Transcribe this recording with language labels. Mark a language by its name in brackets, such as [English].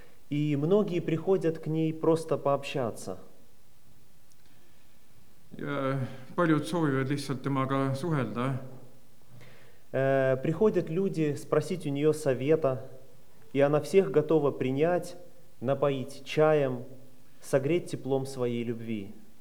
[Russian] И многие приходят к ней просто пообщаться. [Estonian] Ja paljud soovivad lihtsalt temaga suhelda. [Russian] Приходят люди спросить у нее совета, и она всех готова принять, напоить чаем, согреть теплом своей любви.